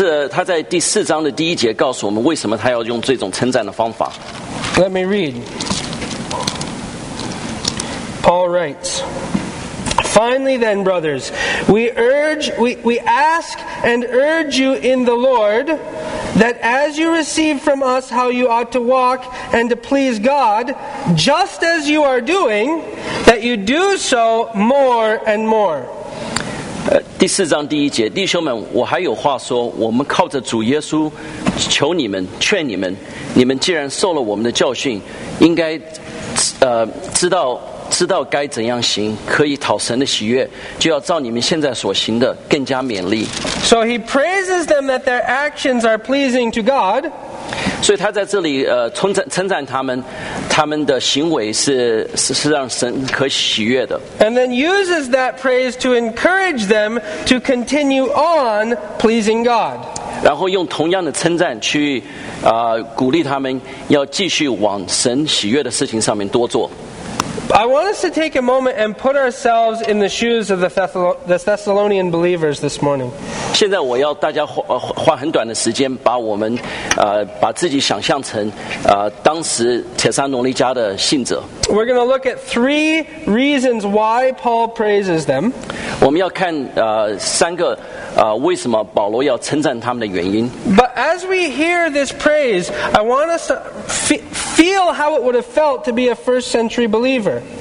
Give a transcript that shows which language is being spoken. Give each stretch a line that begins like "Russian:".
Chinese: 他在第四章的第一节告诉我们为什么他要用这种称赞的方法。
English: Let me read. Paul writes, Finally then, brothers, we ask and urge you in the Lord that as you receive from us how you ought to walk and to please God, just as you are doing, that you do so more and more.
Chinese: 第四章第一节，弟兄们，我还有话说，我们靠着主耶稣求你们，劝你们，你们既然受了我们的教训，应该知道该怎样行，可以讨神的喜悦，就要照你们现在所行的更加勉励。
English: So he praises them that their actions are pleasing to God.
Chinese: 所以他在这里称赞他们的行为是让神可喜悦的。
English: And then uses that praise to encourage them to continue on pleasing God.
Chinese: 然后用同样的称赞去鼓励他们要继续往神喜悦的事情上面多做。
English: I want us to take a moment and put ourselves in the shoes of the Thessalonian believers this morning.
Chinese: 现在我要大家花很短的时间把我们把自己想象成当时帖撒罗尼迦的信者。
English: We're going to look at three reasons why Paul praises them.
Chinese: 我们要看三个为什么保罗要称赞他们的原因。
English: But as we hear this praise, I want us to feel how it would have felt to be a first century believer.